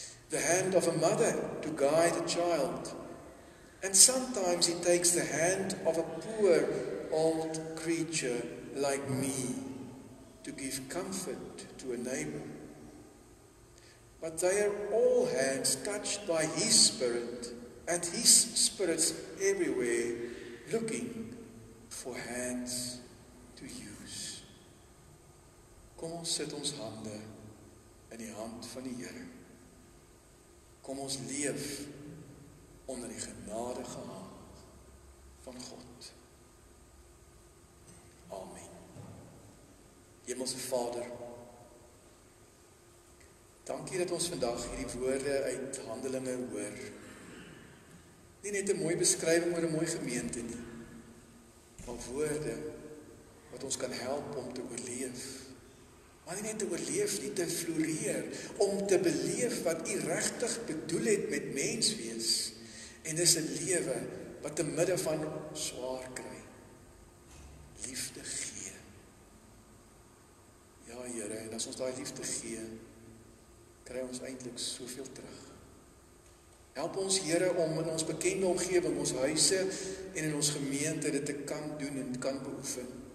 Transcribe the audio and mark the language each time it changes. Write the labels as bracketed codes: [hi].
[en] The hand of a mother to guide a child. And sometimes he takes the hand of a poor old creature like me to give comfort to a neighbor. But they are all hands touched by his spirit and his spirits everywhere looking for hands to use. [af] Kom ons sit ons hande in die hand van die Here. Kom ons leef onder die genadige hand van God. Amen. Hemelse Vader, dankie dat ons vandag hierdie woorde uit Handelinge hoor. Nie net 'n mooi beskrywing oor 'n mooi gemeente nie, maar woorde wat ons kan help om te oorleef. Maar nie net te oorleef, nie te floreer, om te beleef wat U regtig bedoel het met menswees. En dis 'n lewe wat te midde van swaar kry, liefde gee. Ja Here, en as ons daai liefde gee, kry ons eintlik soveel terug. Help ons Here om in ons bekende omgewing, ons huise en in ons gemeente dit te kan doen en kan beoefen.